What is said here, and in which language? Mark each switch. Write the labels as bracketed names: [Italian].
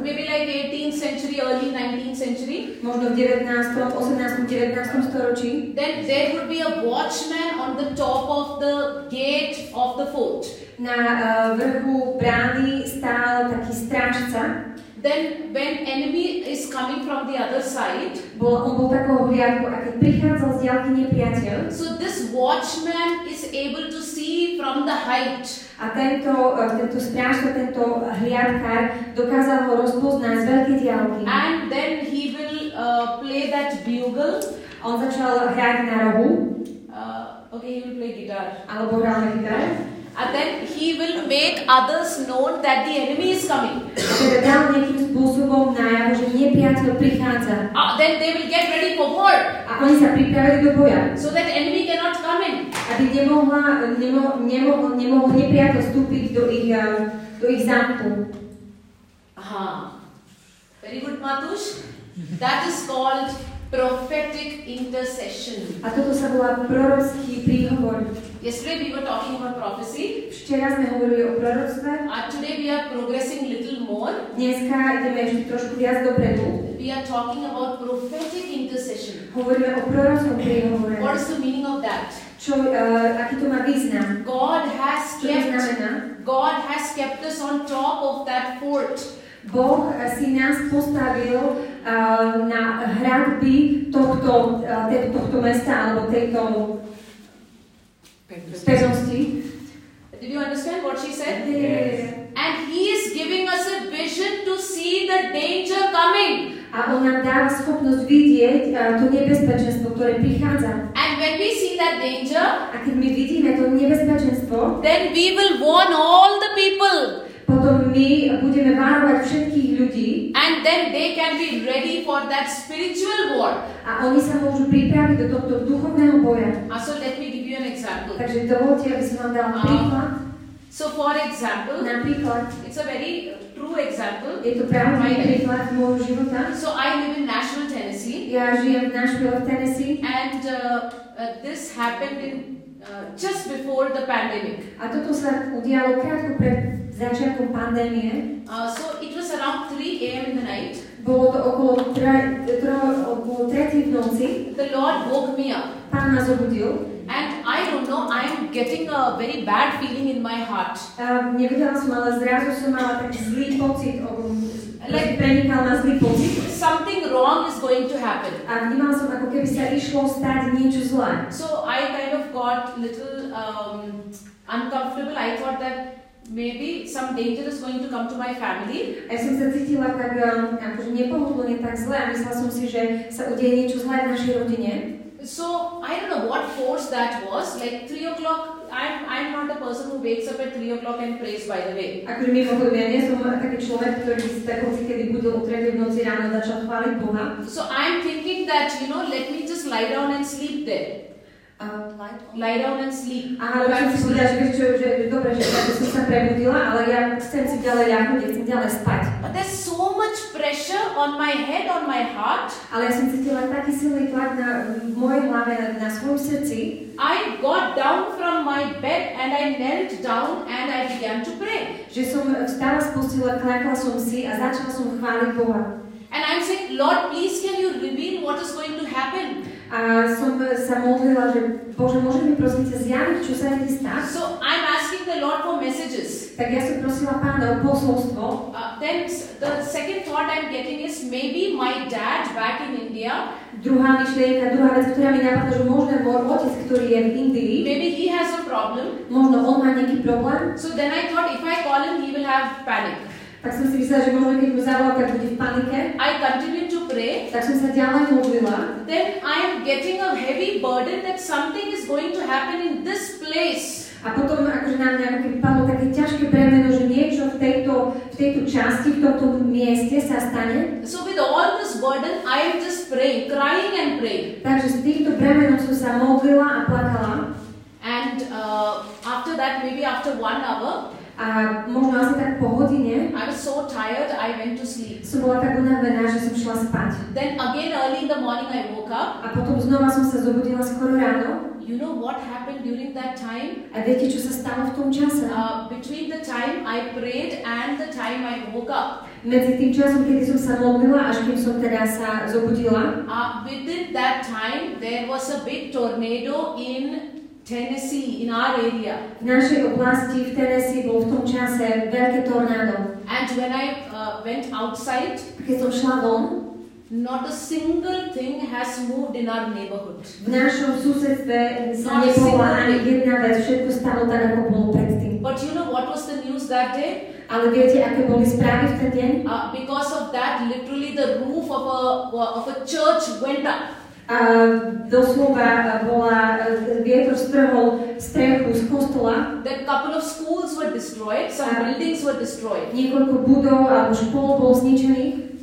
[English] maybe like 18th century, early 19th century, [Slovak] možno v 19., 18., 19. storočí, [English] then there would be a watchman on the top of the gate of the fort. [Slovak] Na vrchu brány stál taký strážca. [English] Then when enemy is coming from the other side, [Slovak] on bol takou hliadkou, a keď prichádzal z diaľky nepriateľ, [English] so this watchman is able to see from the height. [Slovak] A tento strážca, tento hliadkár dokázal ho rozpoznať z veľkej diaľky. [English] And then he will play that bugle. [Slovak] On začal hrať na rohu. [English] Okay, he will play guitar. [Slovak] Alebo hral na gitare. [English] And then he will make others known that the enemy is coming. [Slovak] Teda dal nejakým spôsobom najavo, že nepriateľ prichádza. [English] Then they will get ready for war. [Slovak] A oni sa pripravili do boja. [English] So that enemy cannot come in. Aby nemohol nepriateľ vstúpiť do ich zámku. Aha. Very good, Matúš. That is called prophetic intercession. [Slovak] A toto sa volá prorocký príhovor. [English] Yesterday we were talking about prophecy. [Slovak] Včera sme hovorili o proroctve. [English] And today we are progressing little more. [Slovak] Dneska ideme ešte trošku viac dopredu. [English] We are talking about prophetic intercession. [Slovak] Hovoríme o prorockom príhovore. [English] What is the meaning of that? [Slovak] Čo, aký to má význam? [English] God has [Slovak] kept, čo to znamená? [English] God has kept us on top of that fort. [Slovak] Boh si nás postavil na hradby tohto mesta alebo tejto pevnosti. [English] Did you understand what she said? Yes. And he is giving us a vision to see the danger coming. [Slovak] A on nám dáva schopnosť vidieť to nebezpečenstvo, ktoré prichádza. [English] And when we see that danger, [Slovak] a keď my vidíme to nebezpečenstvo, [English] then we will warn all the people. [Slovak] Potom my budeme varovať všetkých ľudí. [English] And then they can be ready for that spiritual war. [Slovak] A oni sa môžu pripraviť do tohto duchovného boja. [English] So let me give you an example. [Slovak] Takže dovolte, aby som vám dal príklad. [English] So for example, [Slovak] napríklad, [English] it's a very true example. [Slovak] Je to pravý príklad môjho života. [English] So I live in Nashville, Tennessee. [Slovak] Ja žijem v Nashville, Tennessee. [English] And this happened in just before the pandemic. [Slovak] A toto sa udialo krátko pred začiatkom pandémie. [English] So it was around 3 a.m. in the night. [Slovak] Bolo to okolo 3 v noci. [English] The Lord woke me up. [Slovak] Pán ma zobudil. [English] And I don't know, I am getting a very bad feeling in my heart. [Slovak] Nevedela som, ale zrazu som mala tak zlý pocit. Like prenikal ma zlý pocit. [English] Something wrong is going to happen. [Slovak] A vnímala som, ako keby sa išlo stať niečo zlé. [English] So I kind of got little uncomfortable. I thought that maybe some danger is going to come to my family. [Slovak] Ja som sa cítila tak, akože nepohodlne tak zle. A myslela som si, že sa udeje niečo zlé v našej rodine. [English] So, I don't know what force that was, like 3 o'clock, I'm not a person who wakes up at 3 o'clock and prays, by the way. [Slovak] Ako mi hovoril, ja nie som taký človek, ktorý si tak hoci kedy budil o 3 v noci ráno začal chváliť Boha. [English] So, I'm thinking that, you know, let me just lie down and sleep there. Lie down and sleep. [Slovak] Aha, lebo som si povedal, že čo, že dobre, že ja som sa prebudila, ale ja chcem si ďalej ľahnuť, chcem ďalej spať. [English] But there's so much pressure on my head, on my heart. [Slovak] Ale ja som cítila taký silný tlak na mojej hlave, na svojom srdci. [English] I got down from my bed and I knelt down and I began to pray. [Slovak] Že som vstala z postele, klekla som si a začala som chváliť Boha. [English] And I'm saying, Lord, please can you reveal what is going to happen? [Slovak] A som sa modlila, že Bože, môže mi prosím ťa zjaviť, čo sa mi stá? [English] So I'm asking the Lord for messages. [Slovak] Tak ja som prosila Pána o posolstvo. [English] Then the second thought I'm getting is maybe my dad back in India. [Slovak] Druhá myšlienka, druhá vec, ktorá mi napadla, že možno môj otec, ktorý je v Indii. [English] Maybe he has a problem. [Slovak] Možno on má nejaký problém. [English] So then I thought if I call him, he will have panic. [Slovak] Tak som si myslela, že možno keď mu zavolal, tak bude v panike. [English] I continued to pray. [Slovak] Tak som sa ďalej modlila. [English] Then I am getting a heavy burden that something is going to happen in this place. [Slovak] A potom akože na mňa keby padlo také ťažké bremeno, že niečo v tejto časti, v tomto mieste sa stane. [English] So with all this burden, I am just praying, crying and praying. [Slovak] Takže s týmto bremenom som sa modlila a plakala. [English] And after that, maybe after 1 hour, [Slovak] a možno asi tak po hodine. [English] I was so tired, I went to sleep. [Slovak] Som bola tak unavená, že som šla spať. [English] Then again early in the morning I woke up. [Slovak] A potom znova som sa zobudila skoro ráno. [English] You know what happened during that time? [Slovak] A viete, čo sa stalo v tom čase? [English] Between the time I prayed and the time I woke up. [Slovak] Medzi tým časom, kedy som sa modlila, až kým som teda sa zobudila. [English] Within that time there was a big tornado in Tennessee, in our area. [Slovak] V našej oblasti, v Tennessee, bol v tom čase veľké tornádo. [English] And when I went outside, [Slovak] keď som šla von, [English] not a single thing has moved in our neighborhood. [Slovak] V našom susedstve sa nepohla ani jedna vec, všetko stalo tak, ako bolo predtým. [English] But you know what was the news that day? [Slovak] Ale viete, aké boli správy v ten deň? [English] Because of that, literally the roof of a church went up. [Slovak] A doslova bola vietor strhol strechu z kostola. [English] The couple of schools were destroyed, some buildings were destroyed. [Slovak] Niekoľko budov a škôl bol zničený.